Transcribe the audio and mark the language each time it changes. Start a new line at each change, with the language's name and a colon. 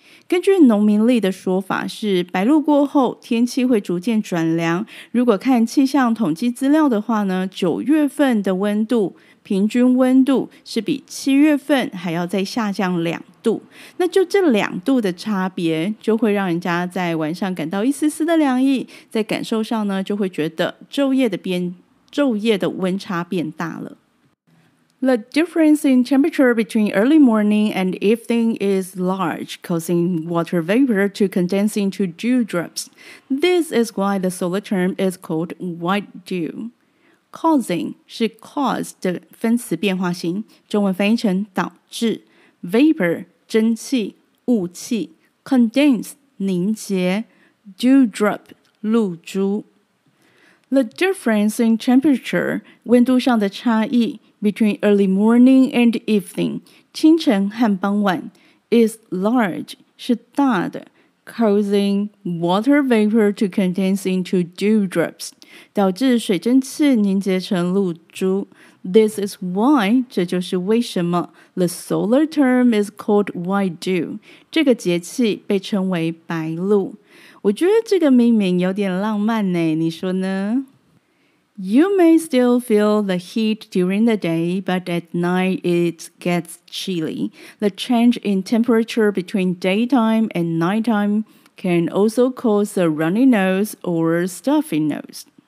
Chinese: 根据农民历的说法是白露过后天气会逐渐转凉，如果看气象统计资料的话呢，九月份的温度平均温度是比七月份还要再下降两度，那就这两度的差别就会让人家在晚上感到一丝丝的凉意，在感受上呢就会觉得昼夜的温差变大了。
English: The difference in temperature between early morning and evening is large, causing water vapor to condense into dew drops. This is why the solar term is called white dew.
Chinese: Causing 是 cause 的分词变化型，中文翻译成导致。 Vapor 蒸汽、雾气。Condense 凝结。
English: Dew drop 露珠。The difference in temperature
Chinese: 温度上的差异。
English: Between early morning and evening,
Chinese: 清晨和傍晚
English: is large,
Chinese: 是大的
English: causing water vapor to condense into dew drops,
Chinese: 导致水蒸气凝结成露珠。
English: This is why,
Chinese: 这就是为什么
English: the solar term is called white dew,
Chinese: 这个节气被称为白露。我觉得这个命名有点浪漫呢，你说呢？
English: You may still feel the heat during the day, but at night it gets chilly. The change in temperature between daytime and nighttime can also cause a runny nose or stuffy nose.